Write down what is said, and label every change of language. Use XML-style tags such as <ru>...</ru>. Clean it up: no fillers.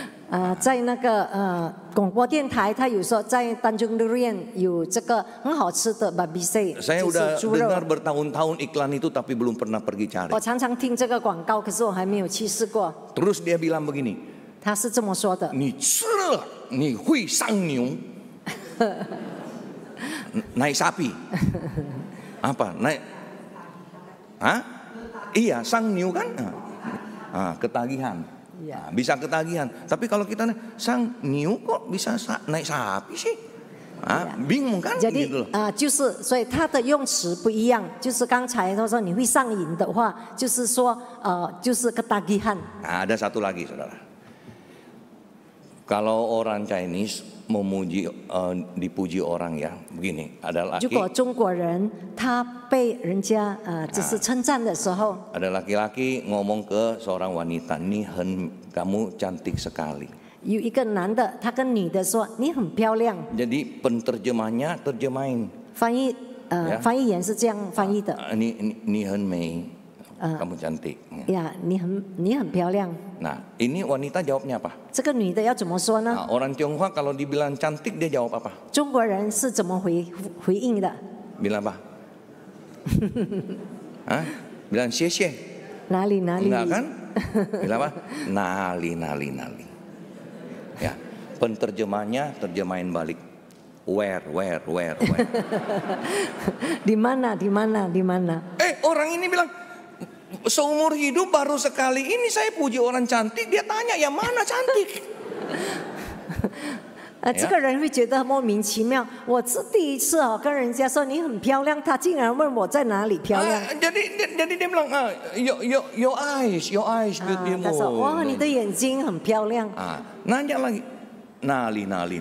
<id>Saya udah dengar bertahun-tahun iklan itu tapi belum pernah pergi cari.</id> <zh>我常常听这个广告, 可是我还没有去试过.</zh> <id>Terus dia bilang begini.</id> <zh>他是这么说的. 你吃了你会上牛.</zh> <id>Naik sapi. Apa? Naik. Hah? Iya, sang new kan? Ketagihan. Iya. Bisa ketagihan. Tapi kalau kita sang new kok bisa naik sapi sih? bingung kan? Jadi, jadi,</id> <zh>所以它的用词不一样。就是刚才说你会上瘾的话，就是说，就是 ketagihan.</zh> <id>Nah, ada satu lagi, saudara. Kalau orang Chinese memuji, dipuji orang ya, begini, ada laki.</id> <zh>如果中国人他被人家就是称赞的时候，</zh> <id>ada laki-laki ngomong ke seorang wanita, kamu cantik sekali.</id> <zh>有一个男的，他跟女的说，你很漂亮。</zh> <id>Jadi penterjemahnya terjemahin.</id> <zh>翻译, ya? 翻译员是这样翻译的。你很美，</zh> <id>kamu cantik.</id> <zh>Ya, 你很漂亮。</zh> <id>Nah, ini wanita jawabnya apa?</id> <zh>这个女的要怎么说呢？Nah,</zh> <id>orang Tionghoa kalau dibilang cantik dia jawab apa?</id> <zh>中国人是怎么回应的？</zh> <id>Bilang apa? Hah? Bilang</id> <zh>xie xie. 哪里哪里？</zh> <id>Enggak kan? Bilang apa? Nali. Ya, penterjemahnya terjemahin balik. Where. Di mana? Eh, orang ini bilang seumur hidup baru sekali ini saya puji orang cantik, dia tanya ya mana cantik.</id> <zh>Ah,这个人会觉得莫名其妙，我是第一次跟人家说你很漂亮，他竟然问我在哪里漂亮。</zh> <id>Jadi dia bilang</id> <en>your eyes beautiful.</en> <zh>哇，你的眼睛很漂亮。</zh> <id>Nanya lagi, nali.</id>